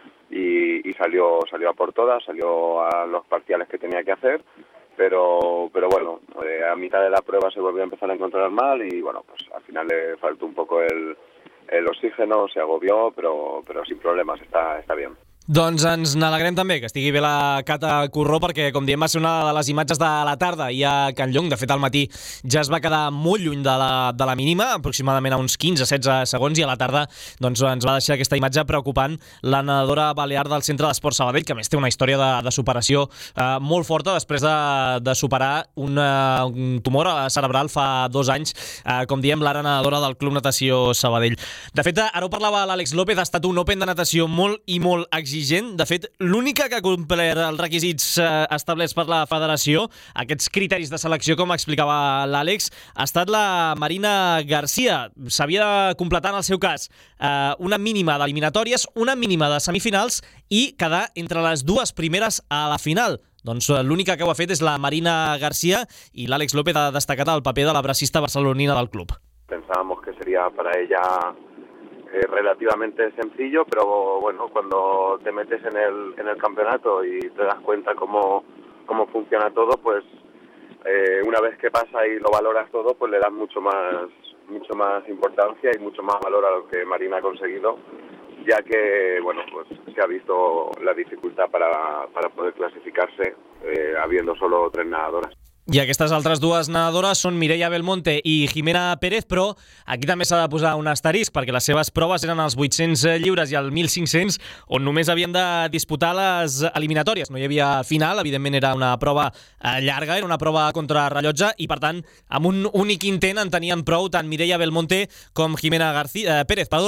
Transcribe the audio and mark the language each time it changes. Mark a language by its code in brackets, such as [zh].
[es] Y salió a por todas, salió a los parciales que tenía que hacer, pero bueno, a mitad de la prueba se volvió a empezar a encontrar mal y bueno, pues al final le faltó un poco el oxígeno, se agobió, pero sin problemas, está bien. [ca] Doncs ens n'alegrem també que estigui bé la Cata Corró perquè, com diem, va ser una de les imatges de la tarda i a Canllong. De fet, al matí ja es va quedar molt lluny de la mínima, aproximadament a uns 15-16 segons, i a la tarda doncs, ens va deixar aquesta imatge preocupant la nedadora balear del Centre d'Esports Sabadell, que a més té una història de superació molt forta després de superar un tumor cerebral fa 2 anys, com diem, l'ara nedadora del Club Natació Sabadell. De fet, ara ho parlava l'Àlex López, ha estat un Open de natació molt i molt exigent. De fet, l'única que ha complert els requisits establerts per la federació, aquests criteris de selecció, com explicava l'Àlex, ha estat la Marina García. S'havia de completar, en el seu cas, una mínima d'eliminatòries, una mínima de semifinals i quedar entre les dues primeres a la final. Doncs l'única que ho ha fet és la Marina García i l'Àlex López ha destacat el paper de la bracista barcelonina del club. [es] pensábamos que sería para ella relativamente sencillo, pero bueno, cuando te metes en el campeonato y te das cuenta cómo funciona todo, pues una vez que pasa y lo valoras todo, pues le das mucho más importancia y mucho más valor a lo que Marina ha conseguido, ya que, bueno, pues se ha visto la dificultad para poder clasificarse habiendo solo tres nadadoras. [ca] I aquestes altres dues nadadores són Mireia Belmonte i Jimena Pérez, però aquí també s'ha de posar un asterisc, perquè les seves proves eren els 800 lliures i el 1500, on només havien de disputar les eliminatòries. No hi havia final, evidentment era una prova llarga, era una prova contra rellotge, i per tant, amb un únic intent en tenien prou tant Mireia Belmonte com Jimena Pérez.